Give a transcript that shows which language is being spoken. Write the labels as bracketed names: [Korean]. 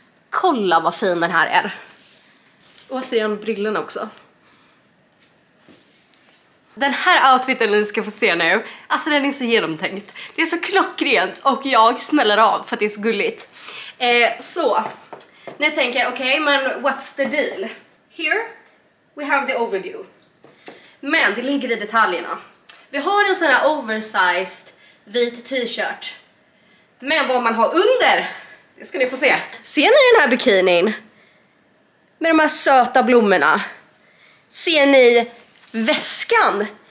[Swedish] Kolla vad fin den här är. Och återigen brillorna också. Den här outfiten ni ska få se nu. Alltså den är så genomtänkt. Det är så klockrent och jag smäller av för att det är så gulligt. Så. Ni tänker, okej, okay, men [English] what's the deal? Here, we have the overview. [Swedish] Men det ligger i detaljerna. Vi har en sån här oversized vit t-shirt. Men vad man har under, det ska ni få se. Ser ni den här bikinin? Med de här söta blommorna. Ser ni väskan?